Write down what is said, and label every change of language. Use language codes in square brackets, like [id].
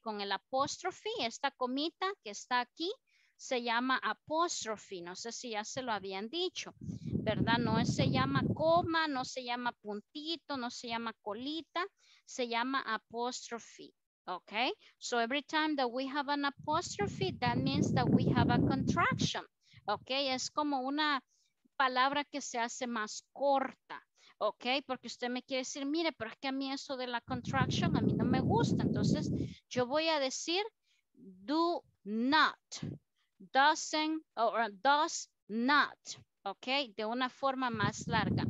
[es] Con el apóstrofe, esta comita que está aquí se llama apóstrofe, no sé si ya se lo habían dicho, ¿verdad? No se llama coma, no se llama puntito, no se llama colita, se llama apóstrofe, ok? [en] So every time that we have an apostrophe, that means that we have a contraction, ok? [es] Es como una palabra que se hace más corta. Ok, porque usted me quiere decir, mire, pero es que a mí eso de la contraction, a mí no me gusta. Entonces, yo voy a decir, do not, doesn't, or does not, ok, de una forma más larga.